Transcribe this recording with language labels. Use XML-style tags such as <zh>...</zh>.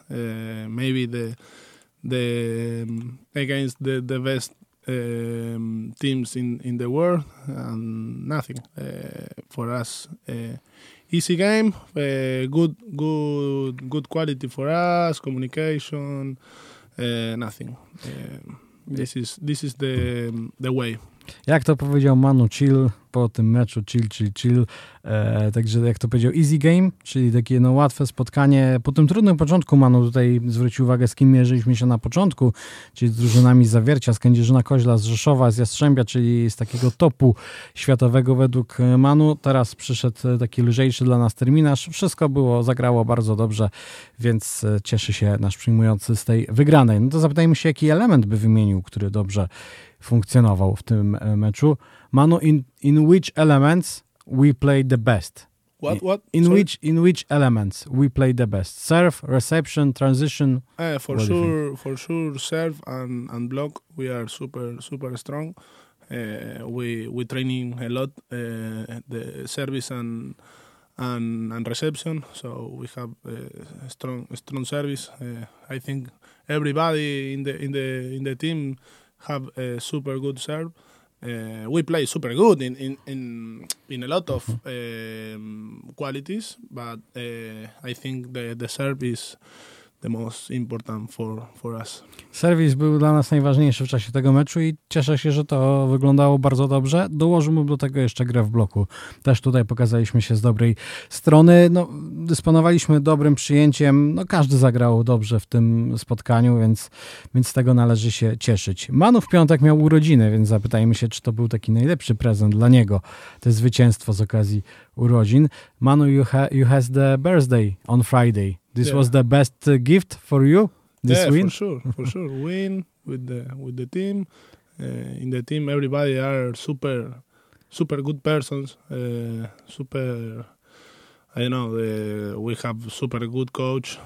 <en>Maybe the against the best teams in the world. And nothing for us. Easy game. Good quality for us. Communication. Nothing. This is the way.</en> <pl>Jak to powiedział Manu, chill po tym meczu, chill. Także jak to powiedział,</pl> <en>easy game,</en> <pl>czyli takie no, łatwe spotkanie. Po tym trudnym początku Manu tutaj zwrócił uwagę, z kim mierzyliśmy się na początku, czyli z drużynami Zawiercia, z Kędzierzyna Koźla, z Rzeszowa, z Jastrzębia, czyli z takiego topu światowego według Manu. Teraz przyszedł taki lżejszy dla nas terminarz. Wszystko było, zagrało bardzo dobrze, więc cieszy się nasz przyjmujący z tej wygranej. No to zapytajmy się, jaki element by wymienił, który dobrze funkcjonował w tym meczu.</pl> <en>Manu, in which elements we play the best? What? In which elements we play the best? Serve, reception, transition? For sure, serve and block. We are super, super strong. We training a lot, the service and reception. So we have a strong service. I think everybody in the team have a super good serve. We play super good in a lot of qualities, but I think the serve is the most important for us.</en> <pl>Serwis był dla nas najważniejszy w czasie tego meczu i cieszę się, że to wyglądało bardzo dobrze. Dołożyłbym do tego jeszcze grę w bloku. Też tutaj pokazaliśmy się z dobrej strony. No, dysponowaliśmy dobrym przyjęciem. No, każdy zagrał dobrze w tym spotkaniu, więc z tego należy się cieszyć. Manu w piątek miał urodziny, więc zapytajmy się, czy to był taki najlepszy prezent dla niego. To zwycięstwo z okazji urodzin.</pl> <en>Manu, you has the birthday on Friday. This was the best gift for you. This win, for sure, win with the team. In the team, everybody are super, super good persons. Super, I don't know. We have super good coach.</en>